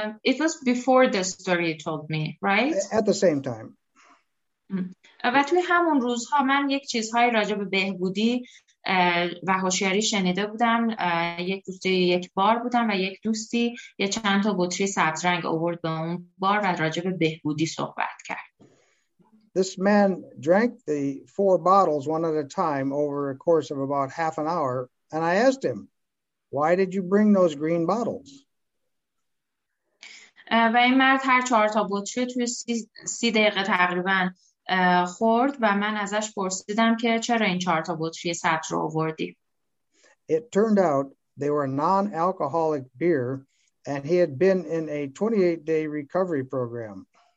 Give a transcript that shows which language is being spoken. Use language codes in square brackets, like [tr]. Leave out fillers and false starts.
[en] It was before the story you told me, right? At the same time. [fa] و توی همون روزها من یک چیزهای راجع به بهبودی و هوشیاری شنیده بودم. یک دوستی یک بار بودم و یک دوستی یه چند تا بطری سبز رنگ آورد به اون بار و راجع به بهبودی صحبت کرد. [en] This man drank the 4 bottles one at a time over a course of about half an hour, and I asked him, "Why did you bring those green bottles?" [fa] و این مرد هر 4 تا بطری توی 30 دقیقه تقریباً خورد و من ازش پرسیدم که چرا این 4 تا بطری سبز رو آوردی. [en] It turned out they were non-alcoholic beer, and he had been in a 28-day recovery program.